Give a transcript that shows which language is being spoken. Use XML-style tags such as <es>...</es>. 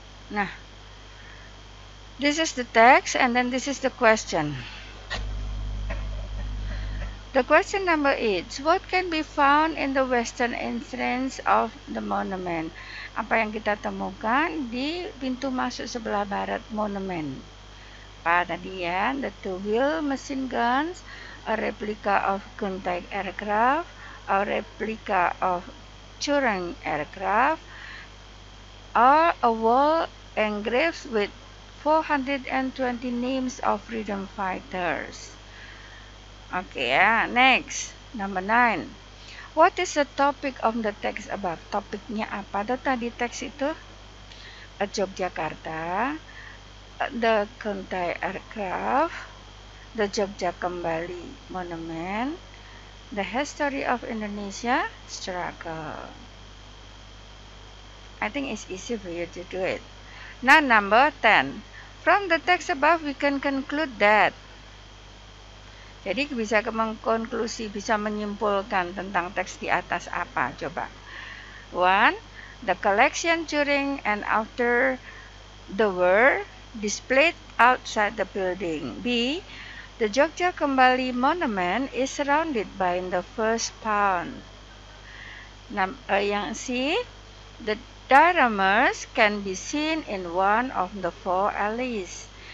<en>Nah, this is the text and then this is the question. The question number 8, what can be found in the western entrance of the monument?</en> <id>Apa yang kita temukan di pintu masuk sebelah barat monument? Apa tadi ya,</id> <en>the two-wheel machine guns, a replica of Kuntai aircraft, a replica of Churang aircraft, or a wall engraved with 420 names of freedom fighters? Okay, next, number 9. What is the topic of the text above?</en> <id>Topiknya apa tuh tadi teks itu?</id> <en>Yogyakarta, the Kuntai aircraft, the Jogja Kembali monument, the history of Indonesia struggle. I think it's easy for you to do it. Now, number 10. From the text above, we can conclude that.</en> <id>Jadi bisa mengkonklusi, bisa menyimpulkan tentang teks di atas apa? Coba. 1.</id> <en>The collection during and after the war displayed outside the building. B. The Jogja Kembali Monument is surrounded by the first pond. Yang C. The dioramas can be seen in one of the four alleys.</en>